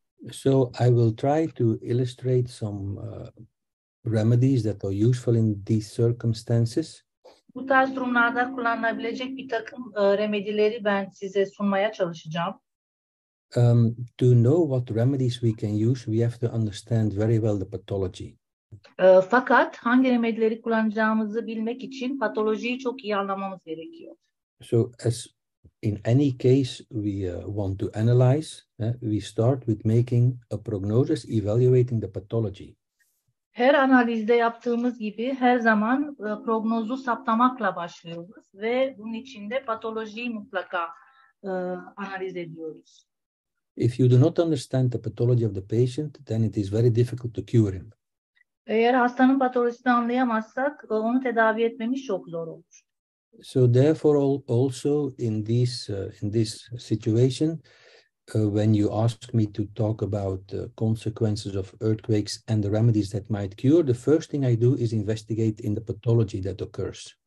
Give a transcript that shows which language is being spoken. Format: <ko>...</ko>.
<en>So I will try to illustrate some remedies that are useful in these circumstances.</en> <tr>Bu tarz durumlarda kullanılabilecek bir takım remedileri ben size sunmaya çalışacağım.</tr> <en>To know what remedies we can use, we have to understand very well the pathology.</en> <tr>Fakat hangi remedileri kullanacağımızı bilmek için patolojiyi çok iyi anlamamız gerekiyor.</tr> <en>So as in any case we want to analyze, we start with making a prognosis, evaluating the pathology.</en> <tr>Her analizde yaptığımız gibi her zaman prognozu saptamakla başlıyoruz ve bunun içinde patolojiyi mutlaka analiz ediyoruz.</tr> <en>If you do not understand the pathology of the patient, then it is very difficult to cure him.</en> <tr>Eğer hastanın patolojisini anlayamazsak onu tedavi etmemiz çok zor olur.</tr> <en>So therefore also in this situation, when you ask me to talk about the consequences of earthquakes and the remedies that might cure, the first thing I do is investigate in the pathology that occurs.</en>